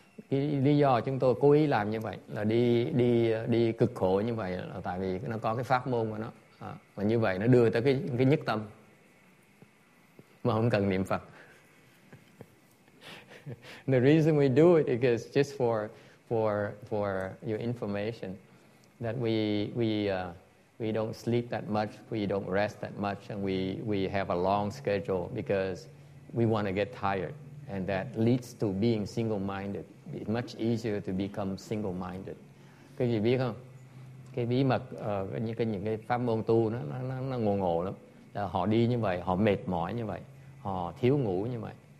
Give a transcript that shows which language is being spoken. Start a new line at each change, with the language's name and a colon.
Vietnamese: Cái lý do chúng tôi cố ý làm như vậy là đi cực khổ như vậy là tại vì nó có cái pháp môn của nó. Và như vậy nó đưa tới cái nhất tâm mà không cần niệm Phật.
English: The reason we do it is just for your information, that we don't sleep that much, we don't rest that much, and we have a long schedule because we want to get tired, and that leads to being single-minded. It's much easier to become single-minded.
Vietnamese: Các vị biết không? Cái bí mật những cái pháp môn tu nó ngộ ngộ lắm. Là họ đi như vậy, họ mệt mỏi như vậy, họ thiếu ngủ như vậy.